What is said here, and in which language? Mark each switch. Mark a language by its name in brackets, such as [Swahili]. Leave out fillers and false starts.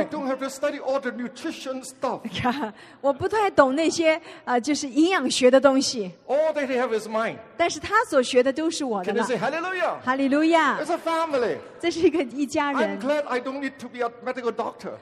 [English] I don't have to study all the nutrition stuff. [Chinese] 我不太懂那些就是营养学的东西。 [English] All that they have is mine. [Chinese] 但是他所学的都是我的。 [English] Can you say hallelujah? Hallelujah. It's a family. [Chinese] 这是一个一家人。 [English] I'm glad I don't need to be a medical doctor.